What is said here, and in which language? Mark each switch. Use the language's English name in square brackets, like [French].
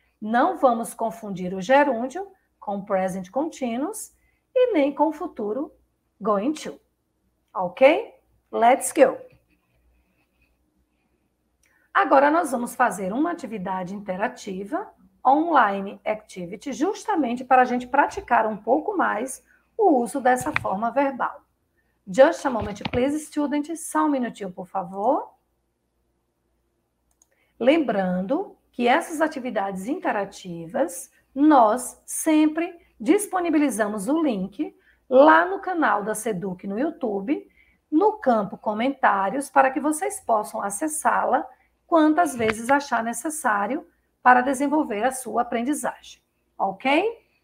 [Portuguese] Não vamos confundir o gerúndio com o present continuous e nem com o futuro going to. Ok? [English] Let's go! [Portuguese] Agora, nós vamos fazer uma atividade interativa, online activity, justamente para a gente praticar um pouco mais o uso dessa forma verbal. [English] Just a moment, please, students. [Portuguese] Só um minutinho, por favor. Lembrando que essas atividades interativas, nós sempre disponibilizamos o link lá no canal da Seduc no YouTube, no campo comentários, para que vocês possam acessá-la quantas vezes achar necessário para desenvolver a sua aprendizagem. Ok?